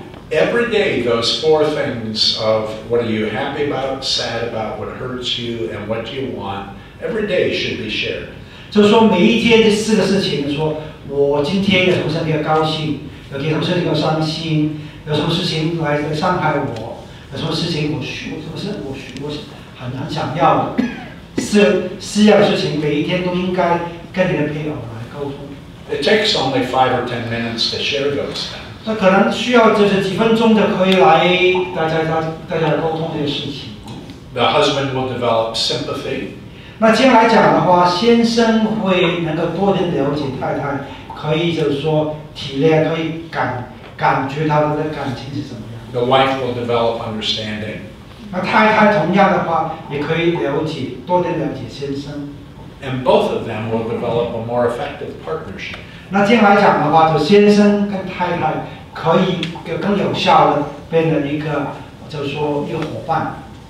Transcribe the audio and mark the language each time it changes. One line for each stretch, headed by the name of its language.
English: Every day, those four things of what are you happy about, sad about, what hurts you, and what do you want, every day should be shared.
Chinese: 就是说，每一天的四个事情，说我今天有什么事情要高兴，有什么事情要伤心，有什么事情来伤害我。有什么事情我很想要的，四样事情每一天都应该跟你的配偶来沟通。
English: It takes only 5 or 10 minutes to share those things.
Chinese: 他可能需要就是几分钟的可以来大家沟通这些事情。
English: The husband will develop sympathy.
Chinese: 那接下来讲的话，先生会能够多点了解太太，可以就是说体谅，可以感觉他们的感情是怎么样。
English: The wife will develop understanding.
Chinese: 那太太同样的话，也可以了解多点了解先生。
English: And both of them will develop a more effective partnership.
Chinese: 那接下来讲的话，就先生跟太太可以更有效的变成一个，就是说一个伙伴。